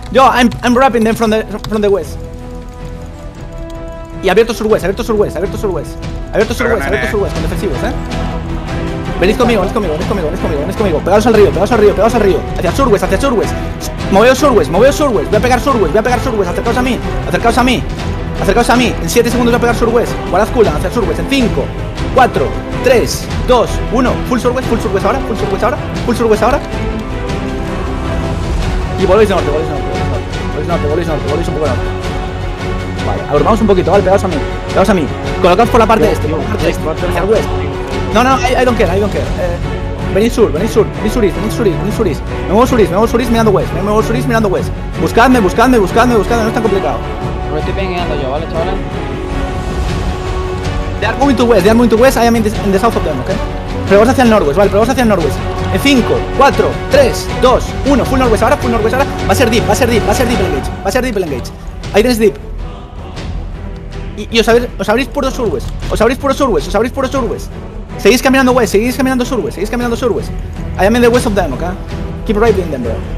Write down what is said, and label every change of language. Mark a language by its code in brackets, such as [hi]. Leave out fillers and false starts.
[en] Yo, I'm wrapping them from the west. [es] Y abierto sur-west, abierto sur-west, abierto sur-west. Abierto sur-west, abierto sur-west, con defensivos, ¿eh? Venís conmigo, venís conmigo, venís conmigo, venís conmigo, venís conmigo. Pegaos al río, pegaos al río, pegaos al río. Hacia sur-west, hacia sur-west. Moveos sur-west, moveos sur-west. Voy a pegar sur-west, voy a pegar sur-west. Acercaos a mí, acercaos a mí. Acercaos a mí. En 7 segundos voy a pegar sur-west. Guardad cooldown, hacia sur-west. En 5, 4, 3, 2, 1. Full sur-west ahora, full sur-west ahora, full sur-west ahora. Y volvéis norte, volvéis norte, volvéis norte, volvéis norte, volvéis un poco norte. Vale, agrupamos un poquito, vale, pegaos a mí, pegaos a mí. Colocaos por la parte este, hacia el west. [en] No, no, I don't care, I don't care. [es] Venid sur, venid sur, venid sur, venid sur, venid sur. Me muevo sur, me muevo sur mirando west, me muevo sur mirando west. Buscadme, buscadme, buscadme, buscadme, no es tan complicado. Lo estoy pingueando yo, ¿vale, chavales? [en] They are moving to west, they are moving to west, I am in the south of them, ¿ok? [es] Pregamos hacia el norwest, vale, pregamos hacia el norwest. En 5, 4, 3, 2, 1, full norwest ahora, va a ser deep, va a ser deep, va a ser deep el engage, va a ser deep el engage. Ahí tenéis deep. Y os abrís puro surwest, os abrís puro surwest, os abrís puro surwest. Seguís caminando west, seguís caminando surwest, seguís caminando surwest. [en] I am in the west of them, [es] ¿ok? [en] Keep right in them, bro.